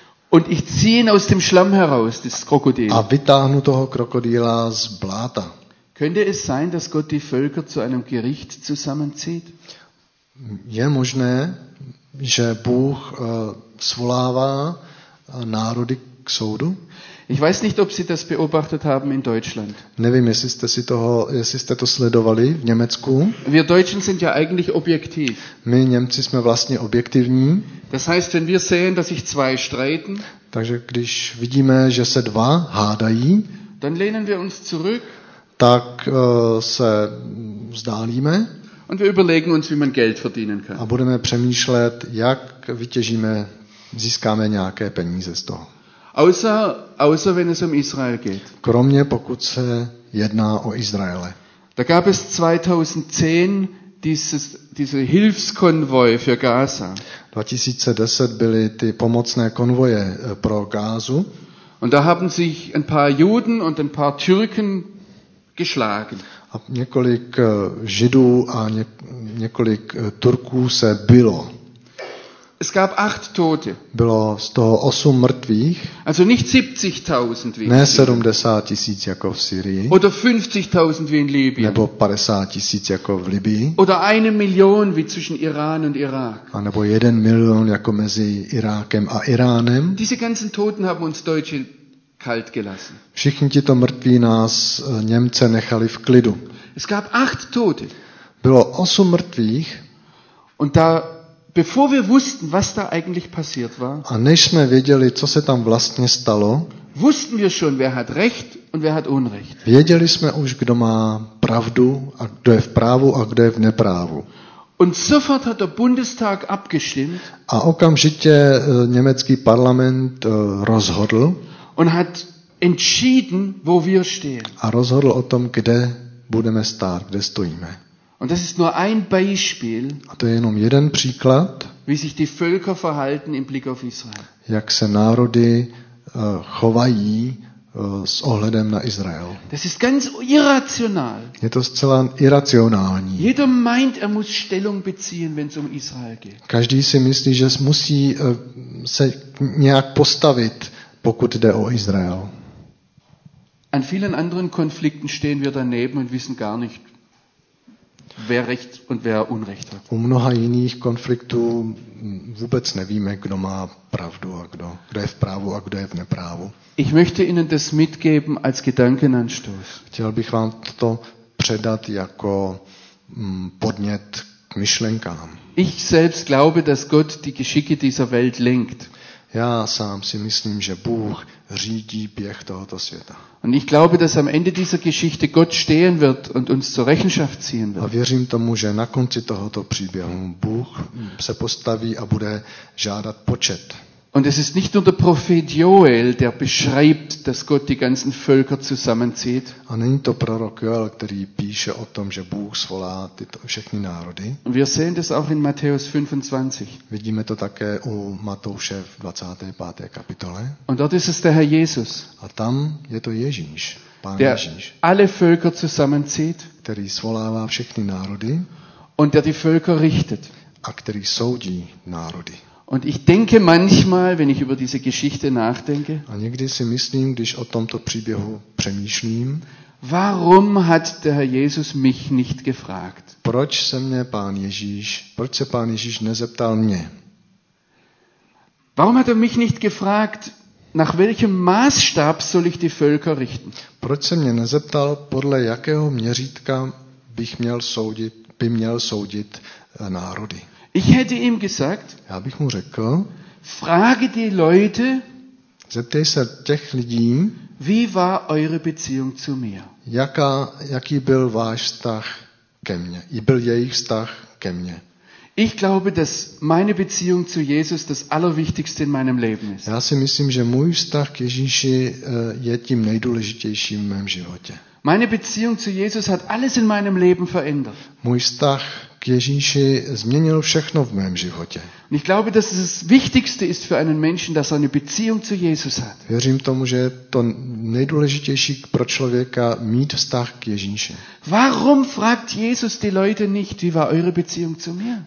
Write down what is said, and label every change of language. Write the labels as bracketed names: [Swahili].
[German] Und ich ziehe aus dem Schlamm heraus das Krokodil. [Czech] A vytáhnu toho krokodýla z bláta. [German] Könnte es sein, dass Gott die Völker zu einem Gericht zusammenzieht? [Czech] Je možné, že Bůh svolává národy k soudu? [German] Ich weiß nicht, ob Sie das beobachtet haben in Deutschland. [Czech] Nevím, jestli jste to sledovali v Německu. [German] Wir Deutschen sind ja eigentlich objektiv. [Czech] My Němci jsme vlastně objektivní. [German] Das heißt, wenn wir sehen, dass sich zwei streiten, [Czech] takže když vidíme, že se dva hádají, [German] dann lehnen wir uns zurück, [Czech] tak se vzdálíme. [German] Und wir überlegen uns, wie man Geld verdienen kann. [Czech] A budeme přemýšlet, jak získáme nějaké peníze z toho. [German] Außer wenn es um Israel geht. [Czech] Kromě pokud se jedná o Izraele. [German] Da gab es 2010 diese Hilfskonvoi für Gaza. [Czech] 2010 byly ty pomocné konvoje pro Gázu. [German] Und da haben sich ein paar Juden und ein paar Türken geschlagen. [Czech] A několik Židů a několik Turků se bylo. [German] Es gab 8 Tote. [Czech] Bylo z toho 8 mrtvých. [German] Also nicht 70.000 wie. [Czech] Ne 70.000 jako v Syrii. [German] Oder 50.000 wie in Libyen. [Czech] Nebo 50.000 jako v Libyi. [German] Oder 1 Million wie zwischen Iran und Irak. [Czech] A nebo 1 milion jako mezi Irákem a Iránem. [German] Diese ganzen Toten haben uns Deutsche kalt gelassen. [Czech] Všichni tito mrtví nás Němce nechali v klidu. [German] Es gab 8 Tote. [Czech] Bylo 8 mrtvých. [German] Und da bevor wir wussten, was da eigentlich passiert war. [Czech] A než jsme věděli, co se tam vlastně stalo. [German] Wussten wir schon, wer hat recht und wer hat unrecht. [Czech] Věděli jsme už, kdo má pravdu a kdo je v právu a kdo je v neprávu. [German] Und sofort hat der Bundestag abgestimmt. [Czech] A okamžitě německý parlament rozhodl. [German] Und hat entschieden, wo wir stehen. [Czech] A rozhodl o tom, kde budeme stát, kde stojíme. [German] Und das ist nur ein Beispiel. [Czech] A to je jenom jeden příklad. [German] Wie sich die Völker verhalten im Blick auf Israel. [Czech] Jak se národy chovají s ohledem na Izrael. [German] Das ist ganz irrational. [Czech] Je to zcela iracionální. [German] Jeder meint, er muss Stellung beziehen, wenn es um Israel geht. [Czech] Každý si myslí, že musí se nějak postavit, pokud jde o Izrael. [German] An vielen anderen Konflikten stehen wir daneben und wissen gar nicht, wer recht und wer unrecht hat. [Czech] U mnoha jiných konfliktů vůbec nevíme, kdo má pravdu a kdo je v právu a kdo je v neprávu. [German] Ich möchte Ihnen das mitgeben als Gedankenanstoß. [Czech] Chtěl bych vám to předat jako podnět k myšlenkám. [German] Ich selbst glaube, dass Gott die Geschicke dieser Welt lenkt. [Czech] Já sám si myslím, že Bůh řídí běh tohoto světa. [German] Und ich glaube, dass am Ende dieser Geschichte Gott stehen wird und uns zur Rechenschaft ziehen wird. [Czech] A věřím tomu, že na konci tohoto příběhu Bůh se postaví a bude žádat počet. [German] Und es ist nicht nur der Prophet Joel, der beschreibt, dass Gott die ganzen Völker zusammenzieht. [Czech] A není to prorok Joel, který píše o tom, že Bůh svolá tyto všechny národy. [German] Und wir sehen das auch in Matthäus 25. [Czech] Vidíme to také u Matouše v 25. kapitole. [German] Und dort ist es der Herr Jesus. [Czech] A tam je to Ježíš, Pán [German] der [Czech] Ježíš, [German] alle Völker zusammenzieht, [Czech] který svolává všechny národy. [German] Und der die Völker richtet. [Czech] A který soudí národy. [German] Und ich denke manchmal, wenn ich über diese Geschichte nachdenke. [Czech] A někdy si myslím, když o tomto příběhu přemýšlím. [German] Warum hat der Herr Jesus mich nicht gefragt? [Czech] Proč se pán Ježíš nezeptal mě? [German] Warum hat er mich nicht gefragt, Nach welchem Maßstab soll ich die Völker richten? [Czech] Proč se mě nezeptal, podle jakého měřítka bych měl soudit, by měl soudit národy? [German] Ich hätte ihm gesagt, [Czech] já bych mu řekl, [German] frage die Leute, [Czech] zeptej se těch lidí, [German] wie war eure Beziehung zu mir? [Czech] Jaký byl váš vztah ke mně? I byl jejich vztah ke mně? [German] Ich glaube, dass meine Beziehung zu Jesus das allerwichtigste in meinem Leben ist. [Czech] Já si myslím, že můj vztah k Ježíši je tím nejdůležitějším v mém životě. [German] Meine Beziehung zu Jesus hat alles in meinem Leben verändert. [Czech] Můj vztah k Ježíši změnil všechno v mém životě. [German] Ich glaube, dass es das wichtigste ist für einen Menschen, dass er eine Beziehung zu Jesus hat. [Czech] Věřím tomu, že je to nejdůležitější pro člověka mít vztah k Ježíši. [German] Warum fragt Jesus die Leute nicht, wie war eure Beziehung zu mir?